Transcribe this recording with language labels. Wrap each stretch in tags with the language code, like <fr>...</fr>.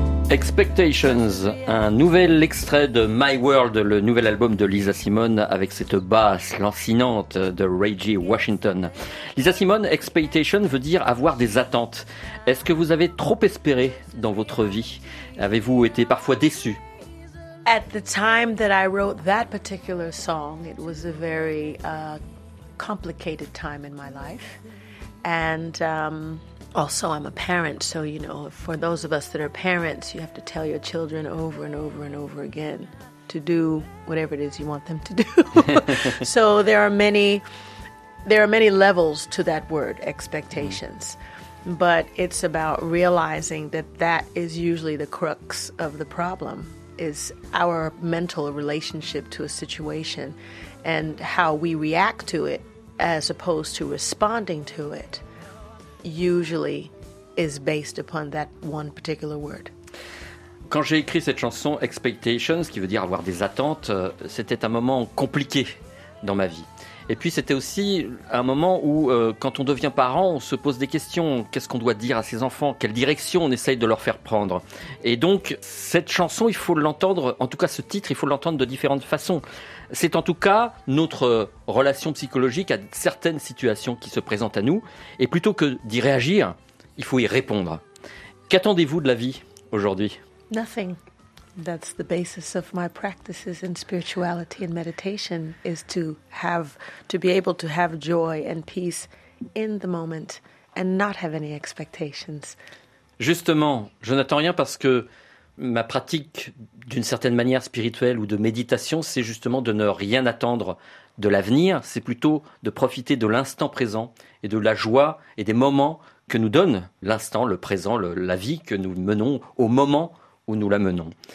<fr>Expectations, un nouvel extrait de My World, le nouvel album de Lisa Simone avec cette basse lancinante de Reggie Washington. Lisa Simone, expectation veut dire avoir des attentes. Est-ce que vous avez trop espéré dans votre vie? Avez-vous été parfois déçu?</fr> <en>At the time that I wrote that particular song, it was a very complicated time in my life. And also, I'm a parent, so, you know, for those of us that are parents, you have to tell your children over and over and over again to do whatever it is you want them to do. So there are many levels to that word, expectations. But it's about realizing that that is usually the crux of the problem, is our mental relationship to a situation and how we react to it as opposed to responding to it. Usually is based upon that one particular word.</en> <fr>Quand j'ai écrit cette chanson, expectations, qui veut dire avoir des attentes, c'était un moment compliqué dans ma vie. Et puis c'était aussi un moment où, quand on devient parent, on se pose des questions. Qu'est-ce qu'on doit dire à ses enfants? Quelle direction on essaye de leur faire prendre? Et donc, cette chanson, il faut l'entendre, en tout cas ce titre, il faut l'entendre de différentes façons. C'est en tout cas notre relation psychologique à certaines situations qui se présentent à nous. Et plutôt que d'y réagir, il faut y répondre. Qu'attendez-vous de la vie aujourd'hui?</fr> <en>Nothing. That's the basis of my practices in spirituality and meditation, is to have, to be able to have joy and peace in the moment and not have any expectations.</en> <fr>Justement, je n'attends rien parce que ma pratique, d'une certaine manière spirituelle ou de méditation, c'est justement de ne rien attendre de l'avenir, c'est plutôt de profiter de l'instant présent et de la joie et des moments que nous donne l'instant, le présent, la vie que nous menons au moment où nous la menons.</fr>